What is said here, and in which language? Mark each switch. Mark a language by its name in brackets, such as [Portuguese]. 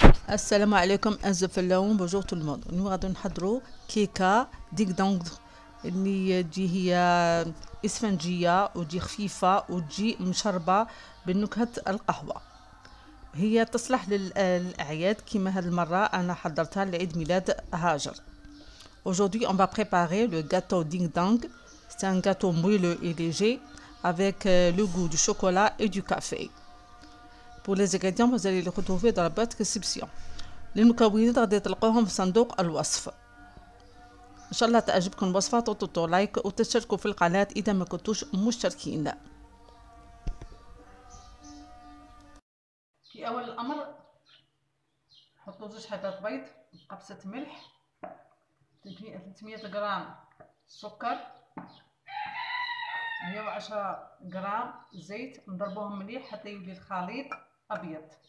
[Arabic] السلام عليكم أعزائي الفلاحين، [French] بونجور تو الموند. [Arabic] اليوم غادي نحضروا كيكه ديك دونغ اللي دي هي اسفنجيه ودي خفيفه ودي مشربه بنكهه القهوه. هي تصلح للاعياد كما هذه المره انا حضرتها لعيد ميلاد هاجر. [French] Aujourd'hui, on va préparer le gâteau Ding Dong. C'est un gâteau moelleux et léger avec le goût du chocolat et du café. Pour les ingrédients, vous allez les retrouver dans la boîte description. Les ingrédients sont dans le [Arabic] صندوق الوصف. إن شاء الله تعجبكم الوصفة تضغطوا لايك وتشتركوا في القناة إذا ما كنتوش مشتركين. في أول الأمر حطوا زوج حبات بيض، قبسة ملح، 300 غرام سكر، 110 غرام زيت، نضربوهم مليح حتى يولي الخليط ابيض.